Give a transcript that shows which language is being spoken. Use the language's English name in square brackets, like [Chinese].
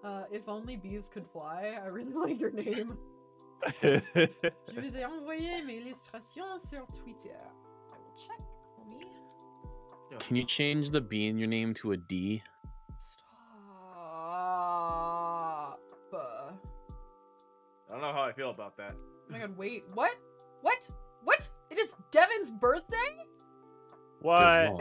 [English] If only bees could fly, I really like your name. [French] Je vous ai envoyé mes illustrations sur Twitter. [English] I will check, homie. Can you change the bee in your name to a D? I don't know how I feel about that. Oh my god, wait. What? It is Devin's birthday? What?